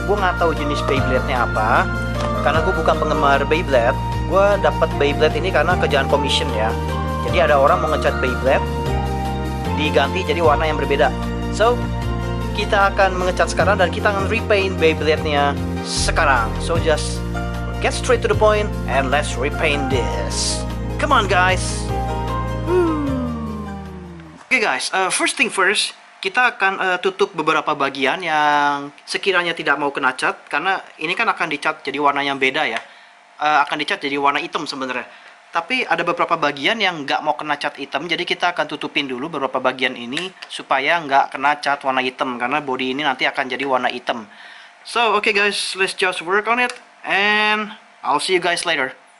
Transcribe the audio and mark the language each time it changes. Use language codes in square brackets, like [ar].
[id] Gue nggak tahu jenis Beyblade-nya apa, karena gue bukan penggemar Beyblade. Gue dapat Beyblade ini karena kerjaan commission ya. Jadi ada orang mau ngecat Beyblade, diganti jadi warna yang berbeda. So, kita akan mengecat sekarang dan kita akan repaint Beyblade-nya sekarang. [en] So just get straight to the point and let's repaint this. Come on guys. Okay guys, first thing first. [id] Kita akan tutup beberapa bagian yang sekiranya tidak mau kena cat, karena ini kan akan dicat jadi warna yang beda ya. Akan dicat jadi warna hitam sebenarnya. Tapi ada beberapa bagian yang nggak mau kena cat hitam, jadi kita akan tutupin dulu beberapa bagian ini supaya nggak kena cat warna hitam, karena body ini nanti akan jadi warna hitam. [en] So, okay guys, let's just work on it, and I'll see you guys later.